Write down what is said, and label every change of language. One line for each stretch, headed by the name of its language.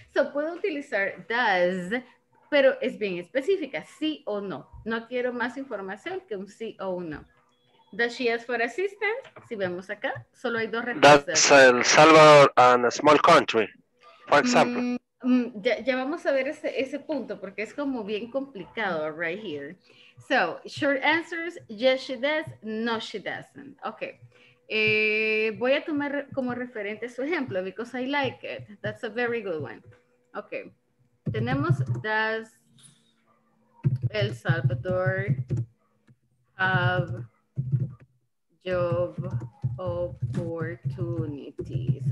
Spanish: So puedo utilizar does, pero es bien específica, sí o no. No quiero más información que un sí o un no.
English: Does she ask for assistance?
Spanish: Si vemos acá, solo hay dos respuestas.
English: That's El Salvador and a small country, for example.
Spanish: Ya vamos a ver ese punto porque es como bien complicado
English: right here. So, short answers, yes she does, no she doesn't.
Spanish: Ok, voy a tomar como referente su ejemplo
English: because I like it. That's a very good one. Ok. Tenemos, does El Salvador have job opportunities?